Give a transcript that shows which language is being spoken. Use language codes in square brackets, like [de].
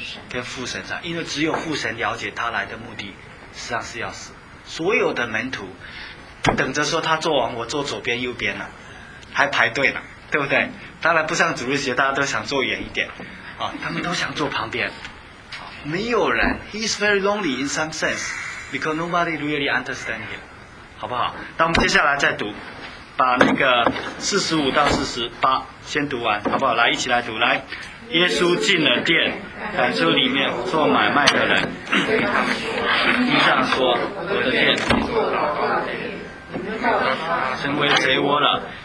[zh] 跟父神上，因为只有父神了解他来的目的，实际上是要死。所有的门徒等着说他做完，我坐左边右边了，还排队呢，对不对？当然不像主日学，大家都想坐远一点，啊，他们都想坐旁边，啊，没有人。 [en] He is very lonely in some sense, because nobody really understands him, [zh] 好不好？那我们接下来再读，把那个45-48先读完，好不好？来，一起来读，来。耶稣进了殿，感受里面做买卖的人地上说，我的殿成为贼窝了。